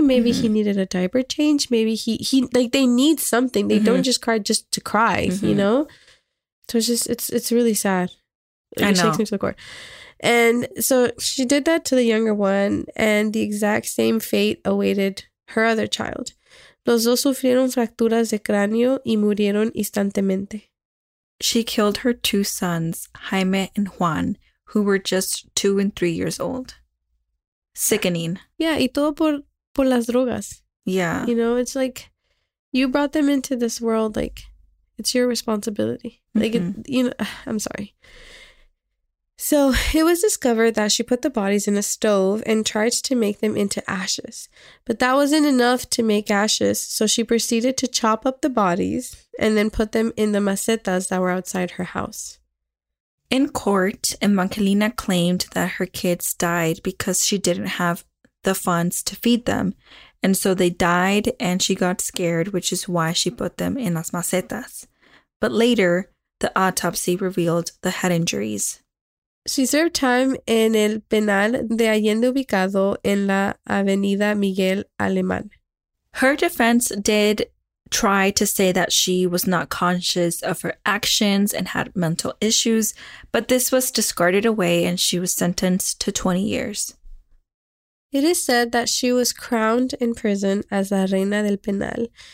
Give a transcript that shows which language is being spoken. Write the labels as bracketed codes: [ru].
[en] Maybe mm-hmm. he needed a diaper change. Maybe he like, they need something. They mm-hmm. don't just cry just to cry, mm-hmm. you know? So it's just, it's really sad. Like, I know. It shakes me to the core. And so she did that to the younger one, and the exact same fate awaited her other child. [es] Los dos sufrieron fracturas de cráneo y murieron instantáneamente. [en] She killed her two sons, Jaime and Juan, who were just 2 and 3 years old. Sickening. Yeah, [es] y todo por las drogas. [en] Yeah. You know, it's like, you brought them into this world, like, it's your responsibility. Like, mm-hmm. it, you know, I'm sorry. So, it was discovered that she put the bodies in a stove and tried to make them into ashes. But that wasn't enough to make ashes, so she proceeded to chop up the bodies and then put them in the macetas that were outside her house. In court, Evangelina claimed that her kids died because she didn't have the funds to feed them. And so they died and she got scared, which is why she put them in las macetas. But later, the autopsy revealed the head injuries. She served time in el penal de Allende ubicado en la Avenida Miguel Alemán. Her defense did try to say that she was not conscious of her actions and had mental issues, but this was discarded away and she was sentenced to 20 years. It is said that she was crowned in prison as la Reina del Penal.